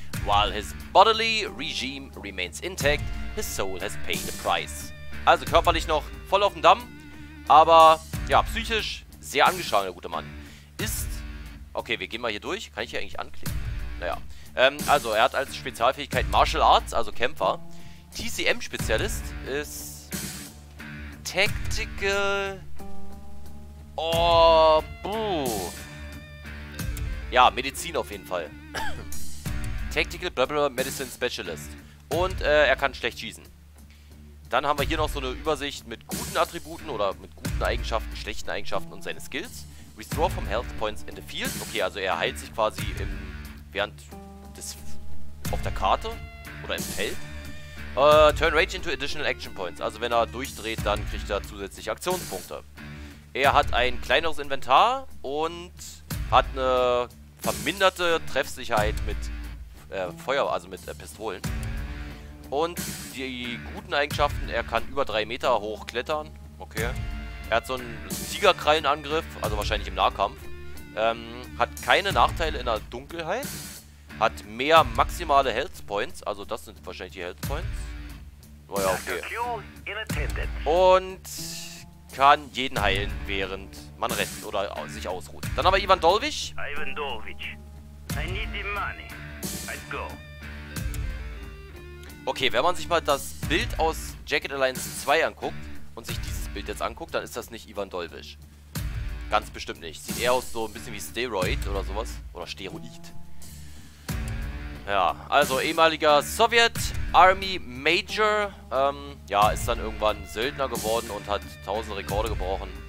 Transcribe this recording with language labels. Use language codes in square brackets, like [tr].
[en] While his bodily regime remains intact, his soul has paid the price. [de] Also körperlich noch voll auf dem Damm, aber ja, psychisch sehr angeschlagen, der gute Mann. Ist, okay, wir gehen mal hier durch, kann ich hier eigentlich anklicken? Naja. Also, er hat als Spezialfähigkeit Martial Arts, also Kämpfer. TCM-Spezialist ist Tactical... Oh, buh. Ja, Medizin auf jeden Fall. [en] Tactical Blablabla Medicine Specialist. [de] Und er kann schlecht schießen. Dann haben wir hier noch so eine Übersicht mit guten Attributen oder mit guten Eigenschaften, schlechten Eigenschaften und seine Skills. [en] Restore from Health Points in the Field. [de] Okay, also er heilt sich quasi während... auf der Karte oder im Feld. [en] Turn Rage into additional Action Points. [de] Also wenn er durchdreht, dann kriegt er zusätzlich Aktionspunkte. Er hat ein kleineres Inventar und hat eine verminderte Treffsicherheit mit Feuer, also mit Pistolen. Und die guten Eigenschaften, er kann über 3 Meter hoch klettern. Okay. Er hat so einen Tigerkrallenangriff, also wahrscheinlich im Nahkampf. Hat keine Nachteile in der Dunkelheit. Hat mehr maximale Health Points, also das sind wahrscheinlich die Health Points. Oh ja, okay. Und kann jeden heilen, während man rennt oder sich ausruht. Dann haben wir Ivan Dolvich. [en] Ivan Dolvich, I need the money. Let's go. [de] Okay, wenn man sich mal das Bild aus Jacket Alliance 2 anguckt und sich dieses Bild jetzt anguckt, dann ist das nicht Ivan Dolvich. Ganz bestimmt nicht. Sieht eher aus so ein bisschen wie Steroid oder sowas. Oder Steroid. Ja, also ehemaliger Soviet Army Major, ja, ist dann irgendwann Söldner geworden und hat 1000 Rekorde gebrochen.